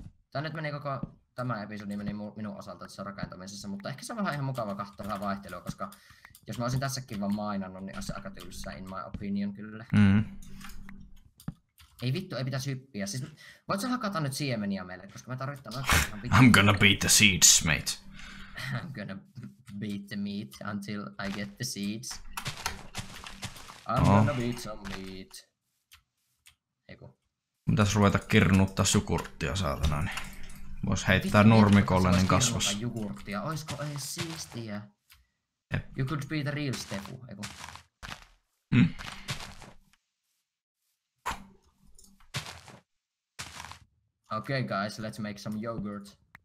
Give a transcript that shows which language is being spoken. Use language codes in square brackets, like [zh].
[fi] Tää nyt meni koko tämä episodi meni minun osalta tässä rakentamisessa, mutta ehkä se on vähän ihan mukava kahta vähän vaihtelua, koska jos mä olisin tässäkin vaan mainannut, niin olisi aika tylsää [en] in my opinion [fi] kyllä. Mm. Ei vittu, ei pitäisi hyppiä. Siis, voit sä hakata nyt siemeniä meille, koska mä tarvitsen oikein ihan [en] I'm gonna beat the seeds, mate. I'm gonna beat the meat until I get the seeds. Gonna beat some meat. Eiku. [fi] Pitäis ruveta kirnuttaa jogurttia, saatana, niin. Vois heittää nurmikolle, niin kasvas. Vois kirnuttaa jogurttia, oisko ees siistiä? [en] Yep. You could be the real Stepu, eiku. Mm. Okay, guys, let's make some yogurt.